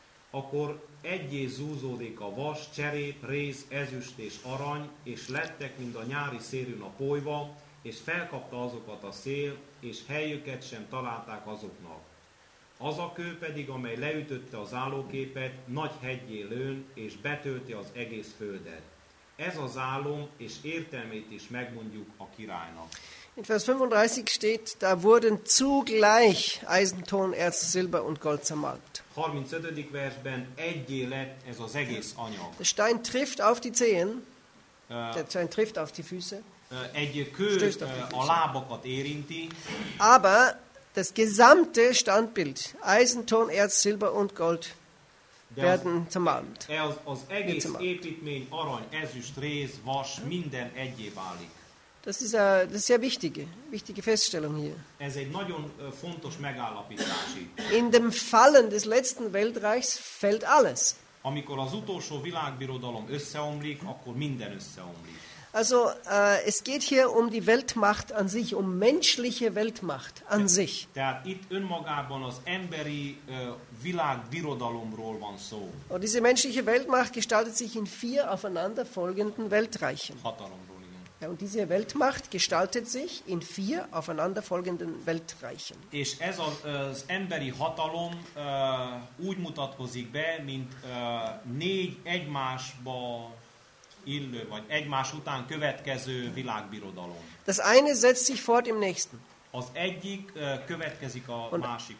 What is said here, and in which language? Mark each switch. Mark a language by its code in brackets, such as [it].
[hu] Akkor egyé zúzódik a vas, cserép, rész, ezüst és arany, és lettek, mint a nyári szérűn a polyva, és felkapta azokat a szél, és helyüket sem találták azoknak. Az a kő pedig, amely leütötte az állóképet, nagy heggyé lőn, és betölti az egész földet. Ez az álom, és értelmét is megmondjuk a királynak. [de] In Vers 35 steht, da wurden zugleich Eisenton, Erz, Silber und Gold zermalmt. 35. [hu] versben egyé lett ez az egész anyag. [de] Der Stein trifft auf die Zehen, der Stein trifft auf die Füße, [hu] egy kő a lábakat érinti. [de] Aber das gesamte Standbild, Eisenton, Erz, Silber und Gold werden zermalmt. [hu] Az egész építmény, arany, ezüst, rész, vas, minden egyé válik. [de] Das ist eine sehr wichtige, wichtige Feststellung hier. [hu] Ez egy nagyon fontos megállapítás. [de] In dem Fallen des letzten Weltreichs fällt alles. [hu] Amikor az utolsó világbirodalom összeomlik, akkor minden összeomlik. [de] Also, es geht hier um die Weltmacht an sich, um menschliche Weltmacht an sich. [hu] Tehát itt önmagában az emberi világbirodalomról van szó. [de] Und diese menschliche Weltmacht gestaltet sich in vier aufeinanderfolgenden Weltreichen. [hu] Hatalomról, igen. [de] Ja, und diese Weltmacht gestaltet sich in vier aufeinanderfolgenden Weltreichen. [hu] És ez az, az emberi hatalom úgy mutatkozik be, mint négy egymásba illő, vagy egymás után következő világbirodalom. [de] Das eine setzt sich fort im nächsten. [hu] Az egyik következik a másik.